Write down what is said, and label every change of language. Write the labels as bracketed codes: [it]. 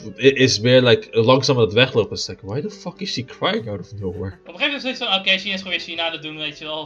[nl] is meer like langzaam aan het weglopen. [en] It's like, why the fuck is she crying out of nowhere? [nl] Op een gegeven moment is het zo, oké, Sina is gewoon weer Sina te doen, weet je wel.